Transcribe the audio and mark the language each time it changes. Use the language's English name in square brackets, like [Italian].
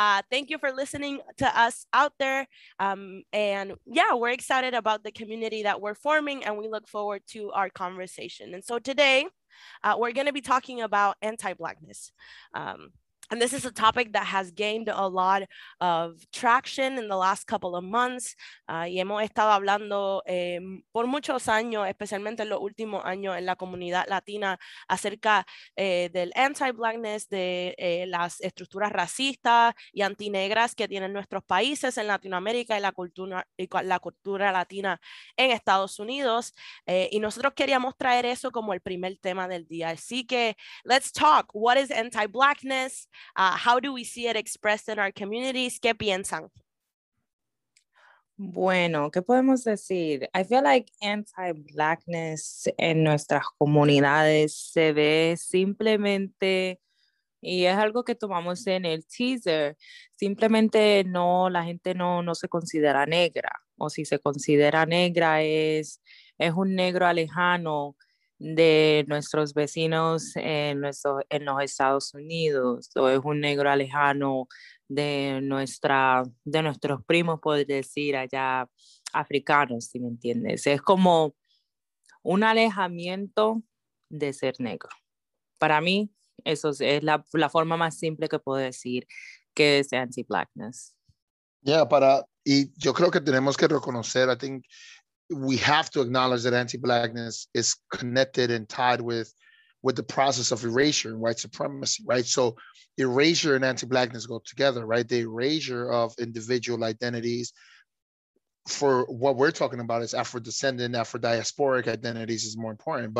[English] Thank you for listening to us out there. And yeah, we're excited about the community that we're forming and we look forward to our conversation. And so today we're going to be talking about anti-Blackness. And this is a topic that has gained a lot of traction in the last couple of months. [Spanish] Y hemos estado hablando por muchos años, especialmente en los últimos años en la comunidad latina, acerca del anti-Blackness, de las estructuras racistas y antinegras que tienen nuestros países en Latinoamérica y la cultura latina en Estados Unidos. Y nosotros queríamos traer eso como el primer tema del día. Así que, [English] let's talk. What is anti-Blackness? How do we see it expressed in our communities? [Spanish] ¿Qué piensan? Bueno, ¿qué podemos decir? [English] I feel like anti-Blackness [Spanish] en nuestras comunidades se ve simplemente, y es algo que tomamos en el teaser, simplemente no, la gente no se considera negra, o si se considera negra es un negro alejano de nuestros vecinos en los Estados Unidos, o es un negro alejano de nuestros primos, podría decir, allá africanos, si me entiendes. Es como un alejamiento de ser negro. Para mí, eso es la forma más simple que puedo decir que es anti-Blackness. [English] Yeah, [Spanish] y yo creo que tenemos que reconocer, [English] we have to acknowledge that anti-Blackness is connected and tied with the process of erasure and white supremacy, right? So erasure and anti-Blackness go together, right? The erasure of individual identities for what we're talking about is Afro-descendant, Afro-diasporic identities is more important.